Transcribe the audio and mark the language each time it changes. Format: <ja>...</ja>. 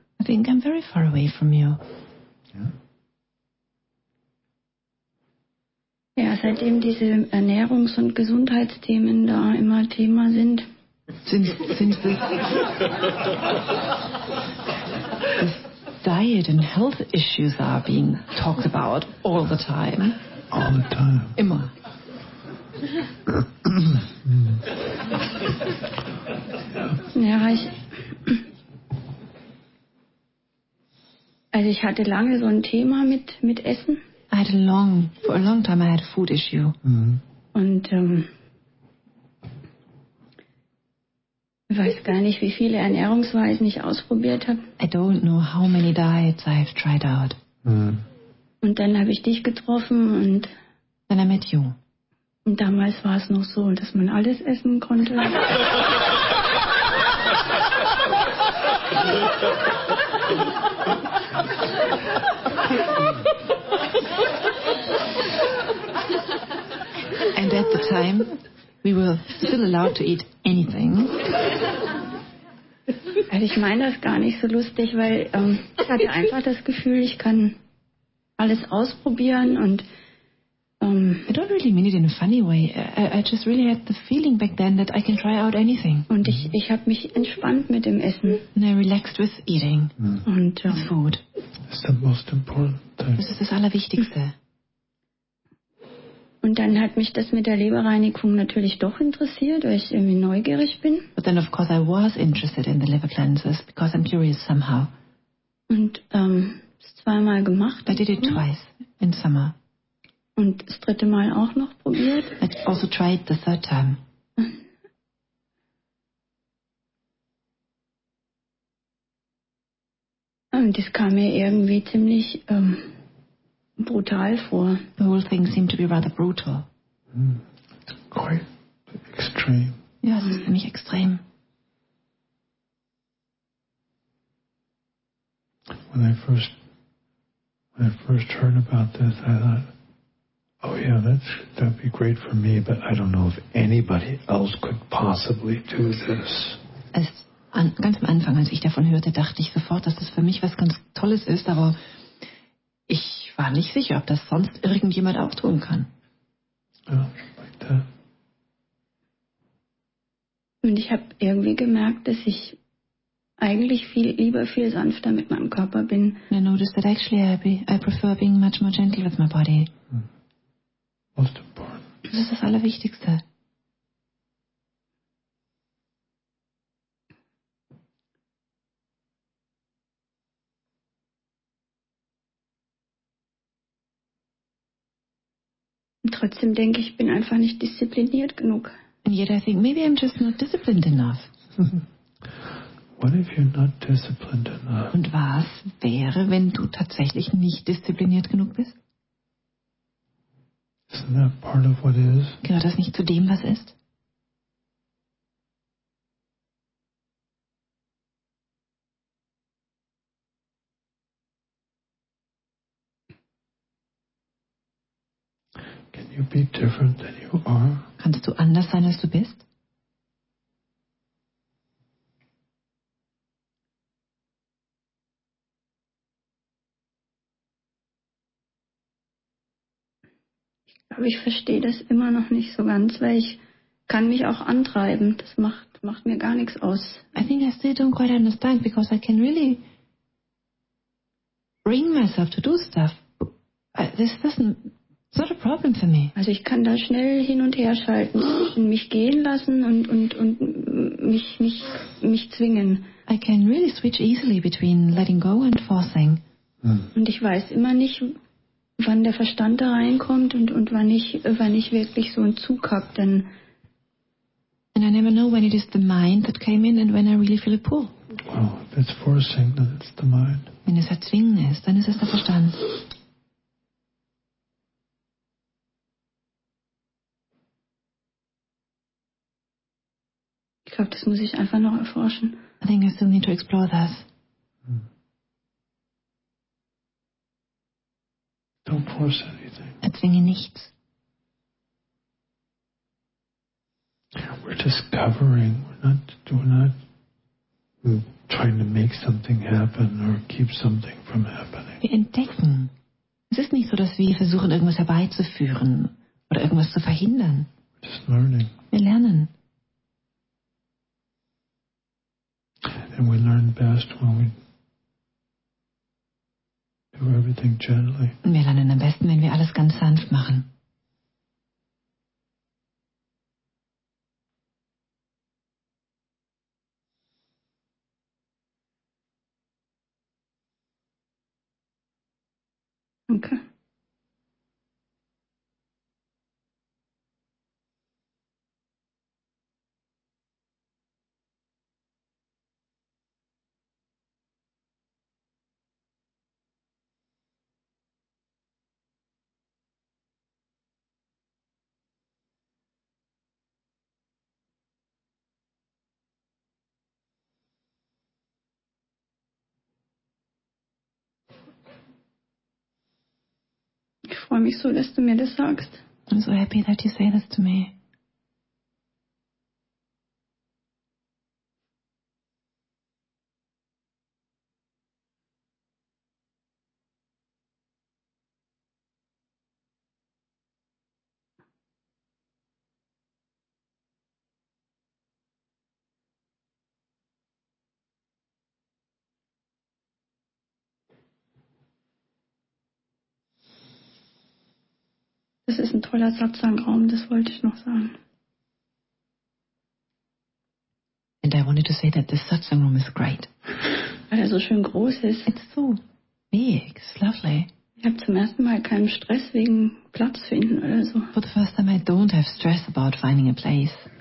<en>I think I'm very far away from you.</en> <de>Ja. Ja, seitdem diese Ernährungs- und Gesundheitsthemen da immer Thema sind.</de> <en>Since this diet and health issues are being talked about all the time. All the time.</en> <de>Immer. Ja, ich. Also ich hatte lange so ein Thema mit Essen.</de> <en>For a long time I had a food issue. Mm-hmm.</en> <de>Und ich weiß gar nicht, wie viele Ernährungsweisen ich ausprobiert habe.</de> <en>I don't know how many diets I've tried out. Mm.</en> <de>Und dann habe ich dich getroffen und...</de> <en>Then I met you.</en> <de>Und damals war es noch so, dass man alles essen konnte.</de> <en>And at the time... We were still allowed to eat anything.</en> <de>Also ich meine das gar nicht so lustig, weil ich hatte einfach das Gefühl, ich kann alles ausprobieren und</de> <en>I don't really mean it in a funny way. I just really had the feeling back then that I can try out anything.</en> <de>Und ich habe mich entspannt mit dem Essen.</de> <en>And I relaxed with eating.</en> <de>Mm. Und</de> <en>with food. It's the most important thing.</en> <de>Das ist das Allerwichtigste. Und dann hat mich das mit der Leberreinigung natürlich doch interessiert, weil ich irgendwie neugierig bin.</de> <en>But then of course I was interested in the liver cleanses, because I'm curious somehow.</en> <de>Und es zweimal gemacht.</de> <en>I did it twice in summer.</en> <de>Und das dritte Mal auch noch probiert.</de> <en>I also tried the third time.</en> <de>Und das kam mir irgendwie ziemlich... brutal vor.</de> <en>The whole thing seemed to be rather brutal. Mm. Quite extreme.</en> <de>Ja, es ist für mich extrem.</de> <en>When I first heard about this, I thought, oh yeah, that'd be great for me, but I don't know if anybody else could possibly do this.</en> <de>Ganz am Anfang, als ich davon hörte, dachte ich sofort, dass das für mich was ganz Tolles ist, aber ich war nicht sicher, ob das sonst irgendjemand auch tun kann.</de> <en>Oh, like that.</en> <de>Und ich habe irgendwie gemerkt, dass ich eigentlich viel sanfter mit meinem Körper bin.</de> <en>I noticed that actually I prefer being much more gentle with my body. Hmm. Most important.</en> <de>Das ist das Allerwichtigste. Trotzdem denke ich, bin einfach nicht diszipliniert genug.</de> <en>And yet I think maybe I'm just not disciplined enough. What if you're not disciplined enough?</en> <de>Und was wäre, wenn du tatsächlich nicht diszipliniert genug bist?</de> <en>Isn't that part of what is?</en> <de>Gehört das nicht zu dem, was ist?</de> <en>you be different than you are?</en> <de>Kannst du anders sein, als du bist? Aber ich verstehe das immer noch nicht so ganz, weil ich kann mich auch antreiben. Das macht mir gar nichts aus.</de> <en>I think I still don't quite understand, because I can really bring myself to do stuff. This doesn't... It's not a problem for me.</en> <de>Also ich kann da schnell hin und her schalten, mich gehen lassen und mich zwingen.</de> <en>I can really switch easily between letting go and forcing. Hm.</en> <de>Und ich weiß immer nicht, wann der Verstand da reinkommt und wann ich wirklich so einen Zug habe, denn...</de> <en>And I never know when it is the mind that came in and when I really feel a pull. Oh, if it's forcing, then it's the mind.</en> <de>Wenn es erzwingen ist, dann ist es der Verstand. Ich glaube, das muss ich einfach noch erforschen.</de> <en>I think I still need to explore this. Don't force anything.</en> <de>Erzwinge nichts.</de> <en>We're discovering. We're not trying to make something happen or keep something from happening.</en> <de>Wir entdecken. Es ist nicht so, dass wir versuchen, irgendwas herbeizuführen oder irgendwas zu verhindern.</de> <en>We're just learning.</en> <de>Wir lernen.</de> <en>And we learn best when we do everything gently.</en> <de>Und wir lernen am besten, wenn wir alles ganz sanft machen. Ich freue mich so, dass du mir das sagst.</de> <en>I'm so happy that you say this to me.</en> <de>Das ist ein toller Satsang-Raum, das wollte ich noch sagen.</de> <en>And I wanted to say that this satsang room is great.</en> <de>Weil er so schön groß ist.</de> <en>It's so big, it's lovely.</en> <de>Ich habe zum ersten Mal keinen Stress wegen Platz finden oder so.</de> <en>For the first time I don't have stress about finding a place.</en>